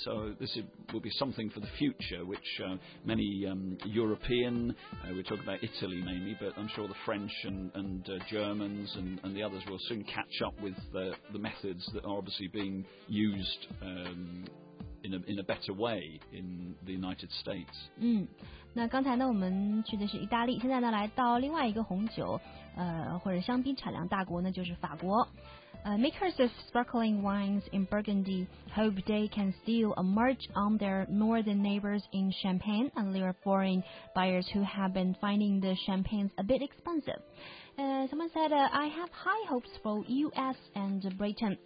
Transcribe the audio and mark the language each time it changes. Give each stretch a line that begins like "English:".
English: So this will be something for the future, which many European, we're talking about Italy mainly, but I'm sure the French and Germans and the others will soon catch up with the methods that are obviously being used in a better way in the United States.
Chinese: 那刚才呢，我们去的是意大利，现在呢，来到另外一个红酒，或者香槟产量大国呢，就是法国。
English: Makers of sparkling wines in Burgundy hope they can steal a march on their northern neighbors in Champagne and lure foreign buyers who have been finding the champagnes a bit expensive. Someone said, I have high hopes for US and Britain.